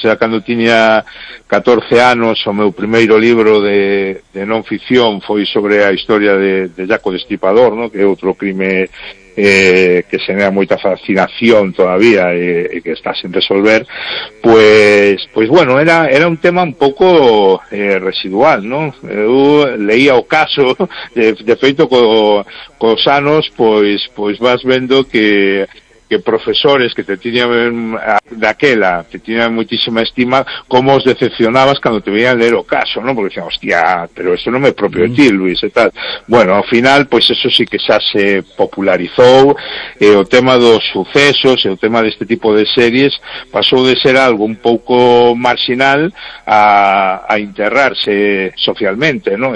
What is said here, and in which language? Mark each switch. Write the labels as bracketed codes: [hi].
[gl] Cando tiña 14 anos, o meu primeiro libro de non ficción foi sobre a historia de Jaco Destripador, ¿no?, que é outro crime que xenera moita fascinación todavía e que está sin resolver, [es] pues bueno, era un tema [gl] un pouco residual, ¿no? Eu leía o caso, de feito, cos anos, pois vas vendo que [es] que profesores que te tenían daquela, te tenían muchísima estima, cómo os decepcionabas cuando te veían leer o caso, ¿no? Porque decían, hostia, pero eso no me es propio de ti, Luis, y tal. Bueno, al final, pues eso sí que [gl] xa se popularizó, o tema dos sucesos, [es] o tema de este tipo de series, pasó de ser algo un poco marginal a enterrarse socialmente, ¿no?